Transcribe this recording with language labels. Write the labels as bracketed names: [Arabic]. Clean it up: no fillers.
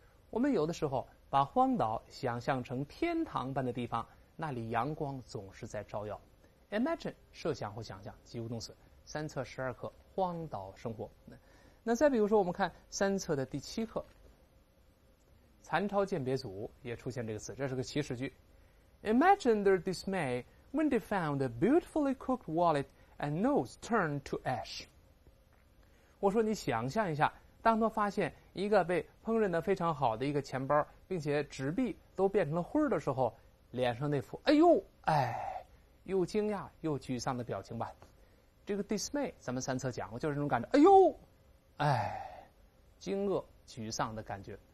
[Chinese] 我们有的时候把荒岛想象成天堂般的地方，那里阳光总是在照耀。 Imagine 设想或想象，及物动词，3册12课《荒岛生活》。那再比如说，我们看3册的第7课，残超鉴别组也出现这个词，这是个祈使句。 [English] Imagine their dismay when they found a beautifully cooked wallet and nose turned to ash。 [Chinese] 我说你想象一下，当他发现一个被烹饪得非常好的一个钱包，并且纸币都变成了灰的时候，脸上那副哎呦哎，又惊讶又沮丧的表情吧。这个 dismay 咱们3册讲过，就是那种感觉，哎呦哎，惊愕沮丧的感觉。